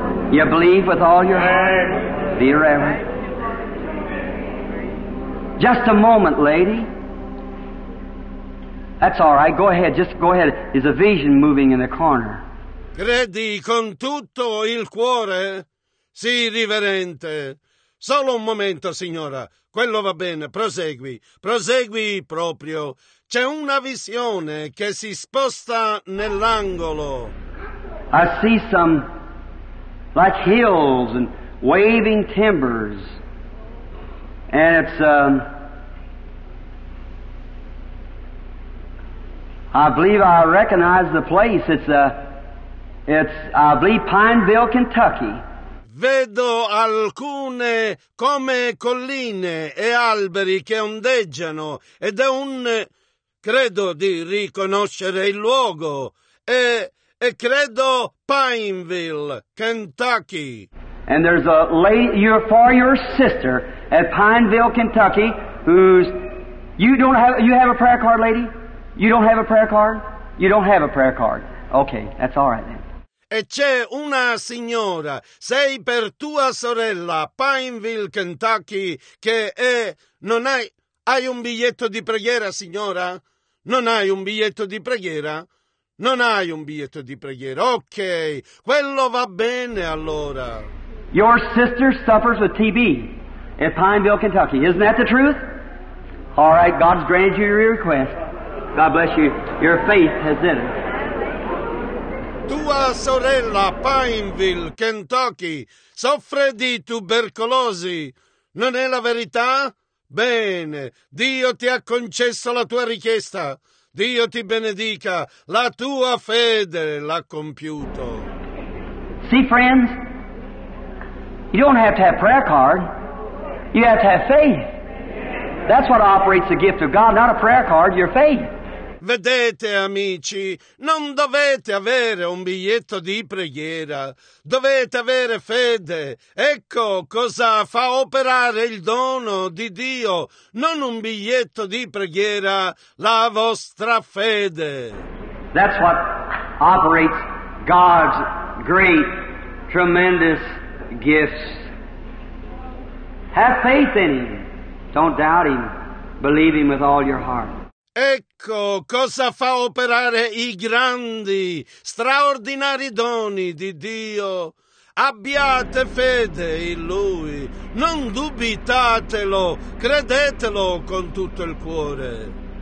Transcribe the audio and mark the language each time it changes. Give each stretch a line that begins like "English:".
English: You believe with all your heart? Be reverent. Just a moment, lady. That's all right. Go ahead. Just go ahead. Is a vision moving in the corner?
Italian: Credi con tutto il cuore? Sì, riverente. Solo un momento, signora. Quello va bene. Prosegui. Prosegui proprio. C'è una visione che si sposta nell'angolo.
English: I see some like hills and waving timbers. And it's I believe I recognize the place. It's Pineville, Kentucky.
Italian: Vedo alcune come colline e alberi che ondeggiano ed è un credo di riconoscere il luogo e credo Pineville, Kentucky.
English: And there's a lady you're for your sister at Pineville, Kentucky, who's you have a prayer card, lady? You don't have a prayer card? You don't have a prayer card. Okay, that's all right then.
Italian: E c'è una signora, sei per tua sorella, Pineville, Kentucky, che è... Non hai... Hai un biglietto di preghiera, signora? Non hai un biglietto di preghiera? Non hai un biglietto di preghiera. Ok, quello va bene allora.
English: Your sister suffers with TB at Pineville, Kentucky. Isn't that the truth? All right, God's granted you your request. God bless you. Your faith has done it.
Italian: Tua sorella, Pineville, Kentucky, soffre di tubercolosi. Non è la verità? Bene, Dio ti ha concesso la tua richiesta. Dio ti benedica, la tua fede l'ha compiuto.
English: See, friends, you don't have to have prayer card. You have to have faith. That's what operates the gift of God, not a prayer card, your faith.
Italian: Vedete, amici, non dovete avere un biglietto di preghiera, dovete avere fede. Ecco cosa fa operare il dono di Dio, non un biglietto di preghiera, la vostra fede.
English: That's what operates God's great, tremendous gifts. Have faith in Him. Don't doubt Him. Believe Him with all your heart.
Italian: Ecco cosa fa operare i grandi, straordinari doni di Dio. Abbiate fede in Lui, non dubitatelo, credetelo con tutto il cuore.